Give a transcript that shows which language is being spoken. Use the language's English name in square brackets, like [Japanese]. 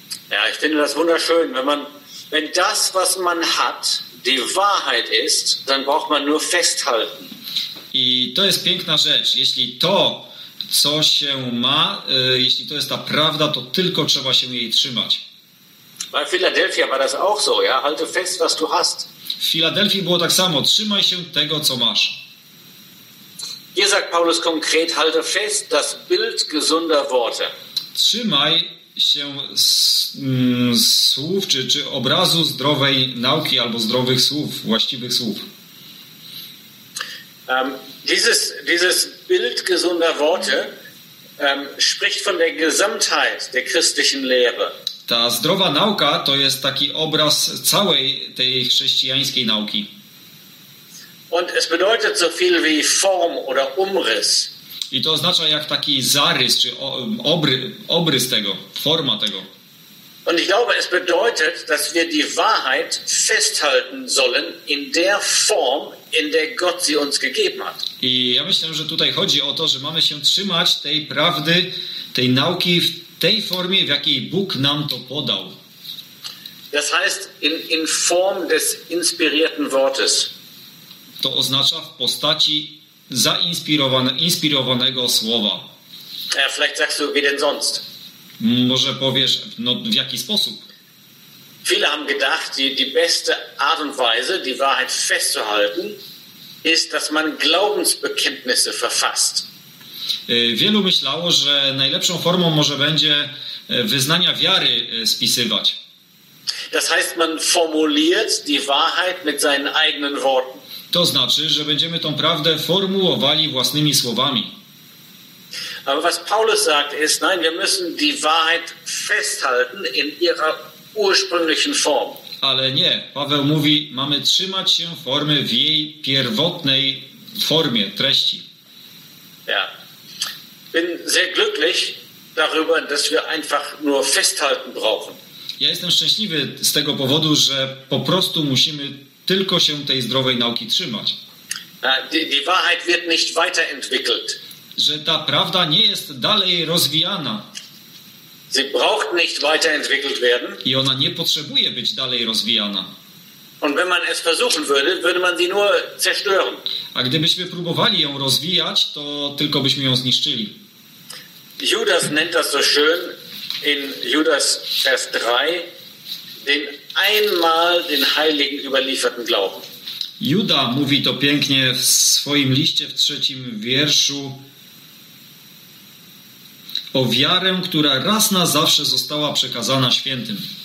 [German] Ja, ich finde das wunderschön, wenn das, was man hat, die Wahrheit ist, dann braucht man nur festhalten. [Polish] I to jest piękna rzecz, jeśli to, co się ma, jeśli to jest ta prawda, to tylko trzeba się jej trzymać. [German] Bei Philadelphia war das auch so, ja? Halte fest, was du hast. [Polish] W Filadelfii było tak samo. Trzymaj się tego, co masz. [German] Hier sagt Paulus konkret, halte fest das Bild gesunder Worte. [Polish] Trzymaj się słów, czy obrazu zdrowej nauki, albo zdrowych słów, właściwych słów. [German] Dieses Bild gesunder Worte spricht von der Gesamtheit der christlichen Lehre. [Polish] Ta zdrowa nauka to jest taki obraz całej tej chrześcijańskiej nauki. [German] Und es bedeutet so viel wie Form oder Umriss. [Polish] I to oznacza jak taki zarys czy obrys tego, forma tego. [German] Und ich glaube, es bedeutet, dass wir die Wahrheit festhalten sollen in der Form, in der Gott sie uns gegeben hat. [Polish] I ja myślę, że tutaj chodzi o to, że mamy się trzymać tej prawdy, tej nauki w tej formie, w jakiej Bóg nam to podał. [German] Das heißt in Form des inspirierten Wortes. [Polish] To oznacza w postaci inspirowanego słowa. [German] Ja, vielleicht sagst du, wie denn sonst? [Polish] Może powiesz, no w jaki sposób? [German] Viele haben gedacht, die beste Art und Weise, die Wahrheit festzuhalten, ist, dass man Glaubensbekenntnisse verfasst. [Polish] Wielu myślało, że najlepszą formą może będzie wyznania wiary spisywać. [German] Das heißt, man formuliert die Wahrheit mit seinen eigenen Worten. [Polish] To znaczy, że będziemy tą prawdę formułowali własnymi słowami. [German] Aber was Paulus sagt ist, nein, wir müssen die Wahrheit festhalten in ihrer ursprünglichen Form. [Polish] Ale nie, Paweł mówi, mamy trzymać się formy w jej pierwotnej formie, treści. [German] Ja. Bin sehr glücklich darüber, dass wir einfach nur festhalten brauchen. [Polish] Ja jestem szczęśliwy z tego powodu, że po prostu musimy tylko się tej zdrowej nauki trzymać. [German] Die Wahrheit wird nicht weiterentwickelt. [Polish] Że ta prawda nie jest dalej rozwijana. [German] Sie braucht nicht weiterentwickelt werden. [Polish] I ona nie potrzebuje być dalej rozwijana. [German] Und wenn man es versuchen würde, würde man sie nur zerstören. [Polish] A gdybyśmy próbowali ją rozwijać, to tylko byśmy ją zniszczyli. [German] Judas nennt das so schön in Judas Vers 3 den einmal den heiligen überlieferten Glauben. [Polish] Juda mówi to pięknie w swoim liście w trzecim wierszu o wiarę, która raz na zawsze została przekazana świętym.